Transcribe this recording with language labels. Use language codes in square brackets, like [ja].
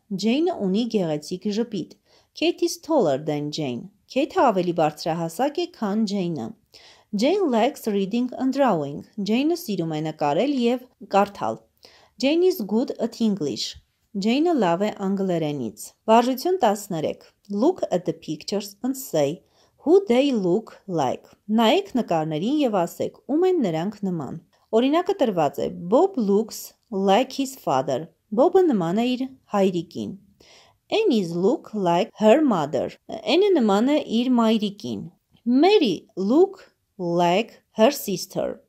[hy] Jane-ը ունի գեղեցիկ ժպիտ։ [en] Kate is taller than Jane. [hy] Kate-ը ավելի բարձրահասակ է, քան Jane-ը։ [en] Jane likes reading and drawing. [hy] Jane-ը սիրում է նկարել եւ կարդալ։ [en] Jane is good at English. [hy] Jane-ը լավ է անգլերենից։ Վարժություն 13. [en] Look at the pictures and say who they look like. [hy] Նայեք նկարներին եւ ասեք, ում են նրանք նման։ Օրինակը տրված է. [en] Bob looks like his father. [hy] Bob-ը նման է իր հայրիկին։ [en] Annie's look like her mother. [hy] Annie-ն նման է իր մայրիկին։ [en] Mary look like her sister.